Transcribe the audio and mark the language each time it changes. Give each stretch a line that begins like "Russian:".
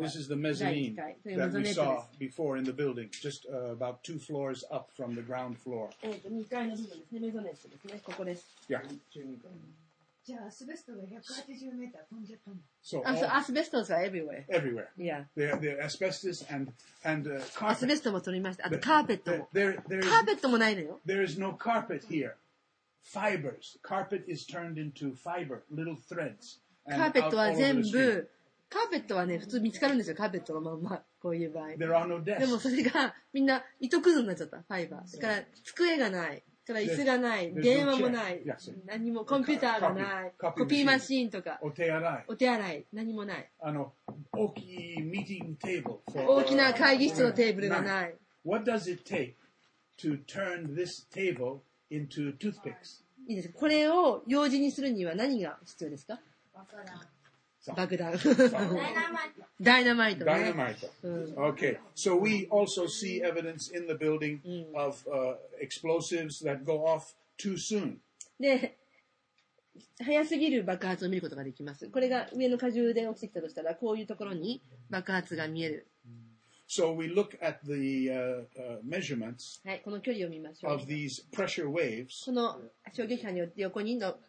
English: This is the mezzanine that we saw before in the building, just about two floors up from the ground floor.
Japanese: 2階の部分ですね、メゾネットですね、ここです。
English: Yeah.
Japanese: じゃあアスベストが180メーター飛んじゃったの。
English: So アスベストは everywhere. Everywhere. Yeah. They're asbestos and carpet.
Japanese: アスベストも取りました。あとカーペットも。カーペットもないのよ。
English: There is no carpet here. Fibers. Carpet is turned into fiber, little threads.
Japanese: カーペットは全部カーペットはね、普通見つかるんですよ、カーペットのまんま。こういう場合。
English: There are no desks.
Japanese: でもそれが、みんな、糸くずになっちゃった、ファイバー。だから、机がない。それは椅子がない、電話もない、何もコンピューターがない、コピーマシーンとか、お手洗い、何もない。あの、大きいミーティングテーブル、大きな会議室のテーブルがない。
English: What does it take to turn this table into toothpicks?
Japanese: いいですか。これを用事にするには何が必要ですか？爆弾。ダイナマイト。ダイナマイト。
English: Okay. So we also see evidence in the building of explosives that go off too soon.
Japanese: で、早すぎる爆発を見ることができます。これが上の荷重で起きてきたとしたら、こういうところに爆発が見える。
English: So we look at the measurements of these pressure waves.
Japanese: この衝撃波によって横に。